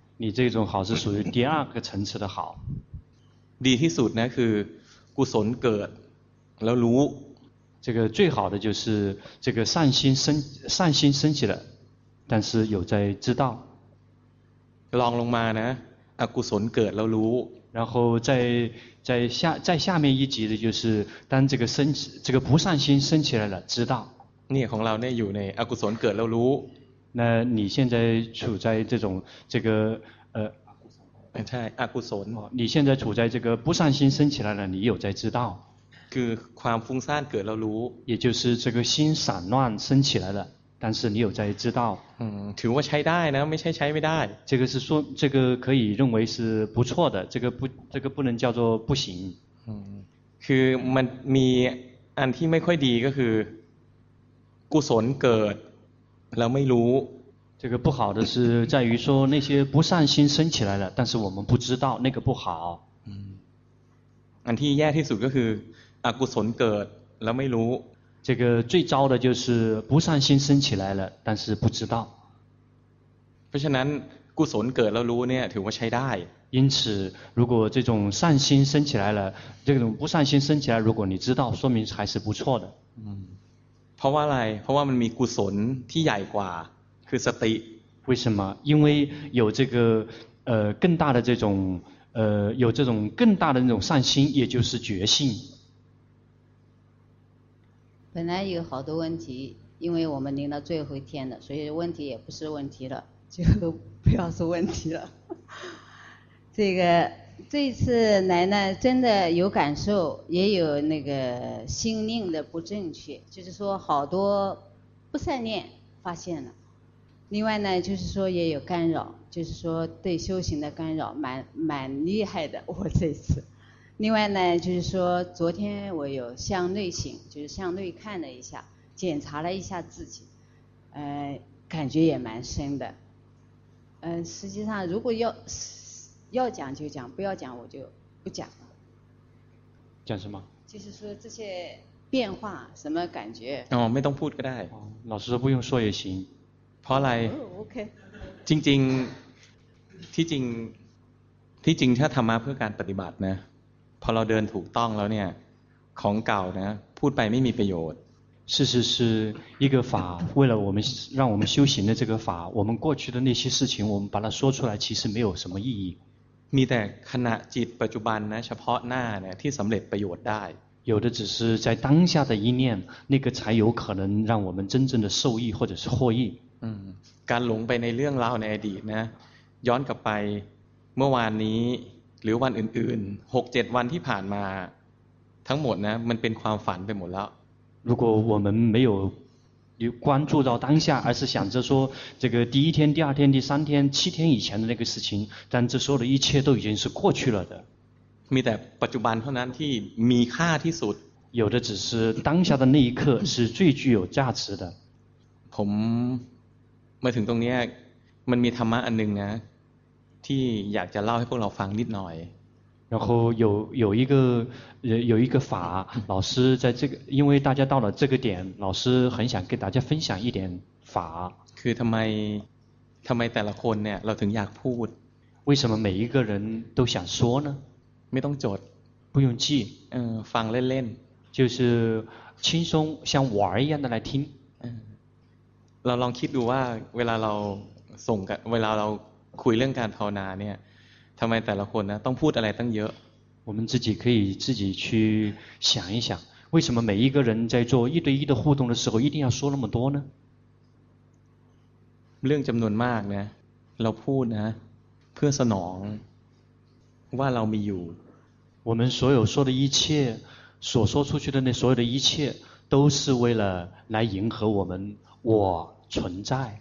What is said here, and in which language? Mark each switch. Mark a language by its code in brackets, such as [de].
[zh] 你这种好是属于第二个层次的好 [th] ดีที่สุดนะคือกุศลเกิดแล้วรู้ [zh] 这个最好的就是这个善心升起了但是有在知道 [th] ลองลงมานะอกุศลเกิดแล้วรู้ [zh] 然后在下面一级的就是当这个升这个不善心升起来了知道 [th] นี่ของเราเนี่ยอยู่ในอกุศลเกิดแล้วรู้ [zh] 那你现在处在这种这个 [th] ใช่อกุศล [zh] 你现在处在这个不善心升起来了你有在知道 [th] คือความฟุ้งซ่านเกิดแล้วรู้ [zh] 也就是这个心散乱升起来了但是你有在知道 [th] ถือว่าใช้ได้นะไม่ใช่ใช้ไม่ได้ [zh] 这个是说这个可以认为是不错的这个不能叫做不行 [th] คือมันมีอันที่ไม่ค่อยดีก็คือกุศลเกิดแล้วไม่รู้ [zh] 这个不好的是在于说那些不善心升起来了但是我们不知道那个不好 [th] อันที่แย่ที่สุดก็คืออกุศลเกิดแล้วไม่รู้ [zh] 这个最糟的就是不善心升起来了但是不知道 [th] เพราะฉะนั้นกุศลเกิดแล้วรู้เนี่ยถือว่าใช้ได้ [zh] 因此如果这种善心升起来了这种不善心升起来如果你知道说明还是不错的 [th] เพราะว่าอะไรเพราะว่ามันมีกุศลที่ใหญ่กว่าคือสติ [zh] 为什么因为有这个更大的这种有这种更大的那种善心也就是觉性本来有好多问题因为我们临到最后一天了所以问题也不是问题了就不要说问题了这个这一次来呢真的有感受也有那个心念的不正确就是说好多不善念发现了另外呢就是说也有干扰就是说对修行的干扰蛮厉害的我这次另外呢就是说昨天我有向内省就是向内看了一下检查了一下自己感觉也蛮深的实际上如果要要讲就讲，不要讲我就不讲了。讲什么？就是说这些变化什么感觉？哦，没动铺个带。老师说不用说也行。跑来。哦、OK。静静，提静，提静，他他妈 [th] เพื่อการปฏิบัตินะ。 พอเราเดินถูกต้องแล้วเนี่ยของเก่านะพูดไปไม่มีประโยชน์ [zh] 是是是一个法为了我们让我们修行的这个法我们过去的那些事情我们把它说出来其实没有什么意义 [th] มีแต่ขณะจิตปัจจุบันนะเฉพาะหน้าเนี่ยที่สำเร็จประโยชน์ได้ [zh] 有的只是在当下的一念那个才有可能让我们真正的受益或者是获益 [th] การหลงไปในเรื่องราวในอดีตนะย้อนกลับไปเมื่อวานนี้หรือวันอื่นๆ 6-7 วันที่ผ่านมาทั้งหมดนะมันเป็นความฝันไปหมดแล้ว [zh] 如果我们没有关注到当下而是想着说这个第一天第二天第三天七天以前的那个事情但这所有的一切都已经是过去了的 [th] มีแต่ปัจจุบันเท่านั้นที่มีค่าที่สุด [zh] 有的只是当下的那一刻是最具有价值的 [th] ผมมาถึงตรงนี้มันมีธรรมะอันนึงนะที่อยากจะเล่าให้พวกเราฟังนิดหน่อย [zh] 然后有一个法老师在这个因为大家到了这个点老师很想跟大家分享一点法 [th] คือทำไมแต่ละคนเนี่ยเราถึงอยากพูด [zh] 为什么每一个人都想说呢 [th] ไม่ต้องจด [zh] 不用记 [th] ฟังเล่น [zh] ๆ就是轻松像玩一样的来听 [th] เราลองคิดดูว่าเวลาเราส่งกันเวลาเราคุยเรื่องการภาวนาเนี่ยทำไมแต่ละคนนะต้องพูดอะไรตั้งเยอะ [zh] 我们自己可以自己去想一想为什么每一个人在做一对一的互动的时候一定要说那么多呢 [th] เรื่องจำนวนมากนะเราพูดนะเพื่อสนองว่าเรามีอยู่ [zh] 我们所有说的一切所说出去的那所有的一切都是为了来迎合我们我存在